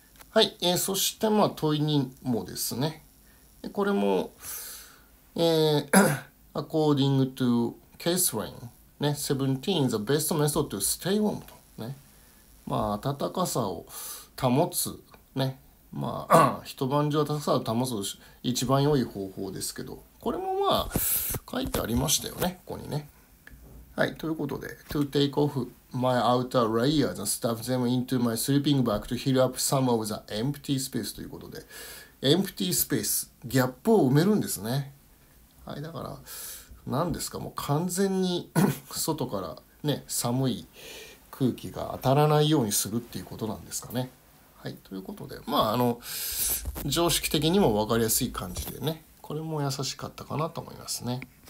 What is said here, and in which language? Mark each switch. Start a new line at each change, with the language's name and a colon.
Japanese: はい、そしてまあ問いにもですね、これも、
English: according to Catherine
Japanese: ね、17
English: the best method to stay warm
Japanese: とね、まあ暖かさを保つね、まあ一晩中暖かさを保つ一番良い方法ですけど、これもまあ書いてありましたよね、ここにね。はい、ということで
English: to take off my outer layers and stuff them into my sleeping bag to heal up some of the empty space
Japanese: ということで、
English: empty space
Japanese: ギャップを埋めるんですね。はい、だから何ですか、もう完全に外からね、寒い空気が当たらないようにするっていうことなんですかね。はい、ということで、まあ常識的にも分かりやすい感じでね、これも優しかったかなと思いますね。